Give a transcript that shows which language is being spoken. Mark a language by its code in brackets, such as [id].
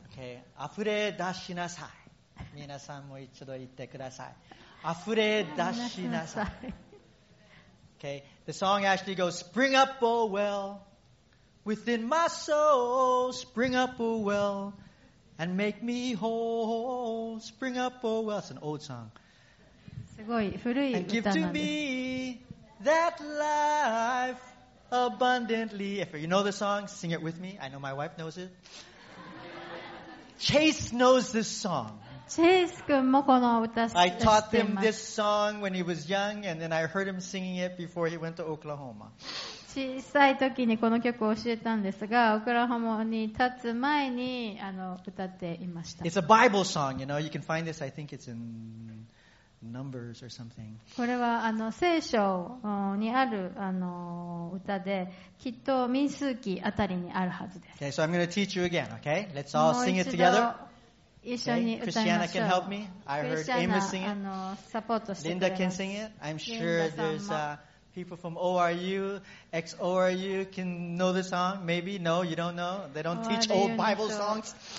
[en] Okay. [ja] あふれ出しなさい。皆さんも一度言ってください。あふれ出しなさい。 [en] Okay. The song actually goes, spring up, oh well. Within my soul, spring up, oh well. And make me whole. Spring up, oh well. It's an old song. [ja] すごい古い歌なんです。 [en] And give to me that life abundantly. If you know the song, sing it with me. I know my wife knows it. Chase knows this song. Chase [ja] 君もこの歌知ってます。 [en] I taught him this song when he was young, and then I heard him singing it before he went to Oklahoma. [ja] 小さい時にこの曲を教えたんですが、オクラホマに立つ前に歌っていました。 [en] It's a Bible song, you know. You can find this. I think it's in... Numbers or something. [ja] これは聖書にある歌で、きっと民数記あたりにあるはずです。 [en] Okay, so I'm going to teach you again. Okay, let's all sing it together. [ja] 一緒に歌いましょう。 [en] Christiana can help me. I heard Amos sing it. [ja] サポートしてください。 [en] Linda can sing it. I'm sure there's people from ORU, ex-ORU can know the song. Maybe no, you don't know. They don't teach old Bible songs.